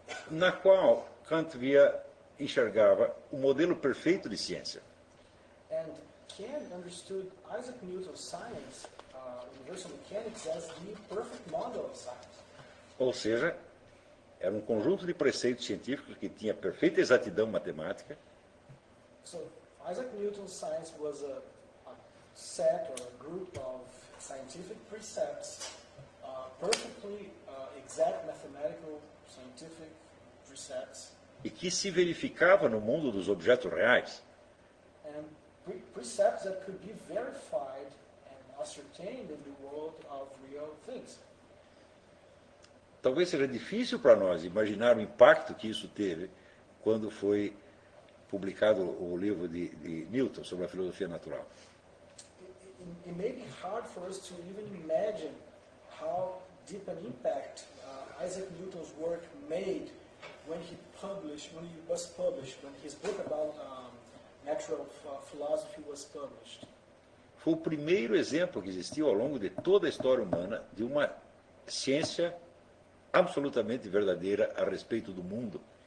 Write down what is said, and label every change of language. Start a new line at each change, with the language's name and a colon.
Portuguese: Na qual Kant enxergava o modelo perfeito de ciência.
English: And Kant understood Isaac Newton's science, universal mechanics, as the perfect model of science.
Portuguese: Ou seja, era um conjunto de preceitos científicos que tinha perfeita exatidão matemática.
English: So, Isaac Newton's science was a set or a group of scientific precepts, perfectly exact mathematical scientific precepts.
Portuguese: E que se verificava no mundo dos objetos reais.
English: And precepts that could be verified and ascertained in the world of real things.
Portuguese: Talvez seja difícil para nós imaginar o impacto que isso teve quando foi publicado o livro de Newton sobre a filosofia natural.
English: It may be hard for us to even imagine how deep an impact Isaac Newton's work made when he published. published, when he was published, when his book about natural philosophy was published.
Portuguese: Foi o primeiro exemplo que existiu ao longo de toda a história humana de uma ciência absolutamente verdadeira a respeito do mundo.